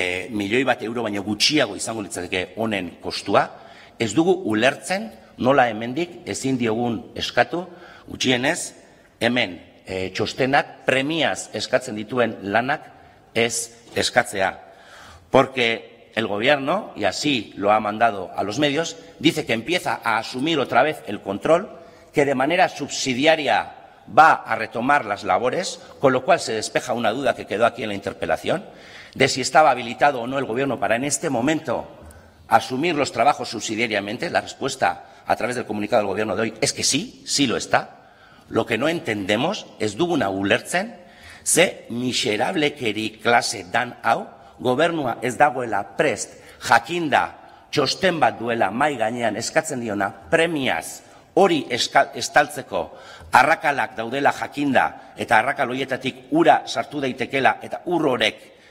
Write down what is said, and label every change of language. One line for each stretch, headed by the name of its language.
Basque: milioi bat euro baino gutxiago izango litzateke honen kostua, ez dugu ulertzen nola hemendik ezin diogun eskatu, gutxienez hemen txostenak premiaz eskatzen dituen lanak ez eskatzea.
Spanish: Porque el gobierno, y así lo ha mandado a los medios, dice que empieza a asumir otra vez el control, que de manera subsidiaria va a retomar las labores, con lo cual se despeja una duda que quedó aquí en la interpelación, de si estaba habilitado o no el gobierno para en este momento asumir los trabajos subsidiariamente. La respuesta a través del comunicado del gobierno de hoy es que sí, sí lo está. Lo que no entendemos es
Basque: duguna ulertzen, ze miserablekeri klase dan hau, gobernua ez dagoela prest, jakinda, txosten bat duela mai gainean eskatzen diona, premiaz hori estaltzeko, arrakalak daudela jakinda, eta arrakaloietatik ura sartu daitekela, eta urrorek